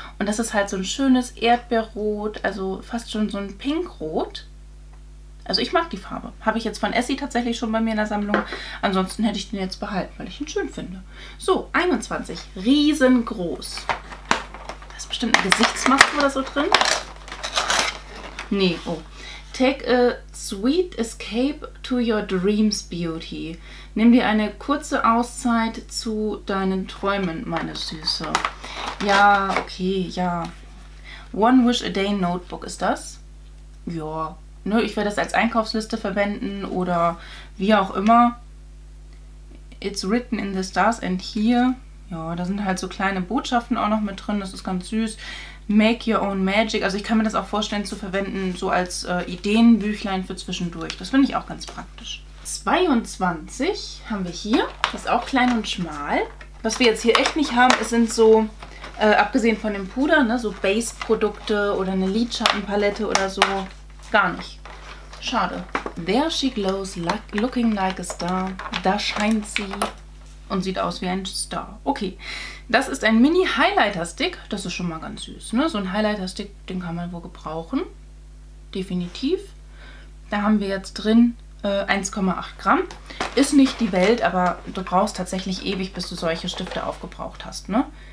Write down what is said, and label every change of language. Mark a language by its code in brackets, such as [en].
[de] Und das ist halt so ein schönes Erdbeerrot, also fast schon so ein Pinkrot. Also ich mag die Farbe. Habe ich jetzt von Essie tatsächlich schon bei mir in der Sammlung. Ansonsten hätte ich den jetzt behalten, weil ich ihn schön finde. So, 21. Riesengroß. Da ist bestimmt eine Gesichtsmaske oder so drin. Nee, oh. [en] Take a sweet escape to your dreams, Beauty. [de] Nimm dir eine kurze Auszeit zu deinen Träumen, meine Süße. Ja, okay, ja. One Wish a Day Notebook ist das. Ja, ne, ich werde das als Einkaufsliste verwenden oder wie auch immer. [en] It's written in the stars and here. [de] Ja, da sind halt so kleine Botschaften auch noch mit drin. Das ist ganz süß. [en] Make your own magic. [de] Also ich kann mir das auch vorstellen zu verwenden, so als Ideenbüchlein für zwischendurch. Das finde ich auch ganz praktisch. 22 haben wir hier. Das ist auch klein und schmal. Was wir jetzt hier echt nicht haben, es sind so, abgesehen von dem Puder, ne, so Base-Produkte oder eine Lidschattenpalette oder so. Gar nicht. Schade. [en] There she glows, looking like a star. [de] Da scheint sie und sieht aus wie ein Star. Okay, das ist ein Mini-Highlighter-Stick. Das ist schon mal ganz süß, ne? So ein Highlighter-Stick, den kann man wohl gebrauchen. Definitiv. Da haben wir jetzt drin 1,8 Gramm. Ist nicht die Welt, aber du brauchst tatsächlich ewig, bis du solche Stifte aufgebraucht hast, ne?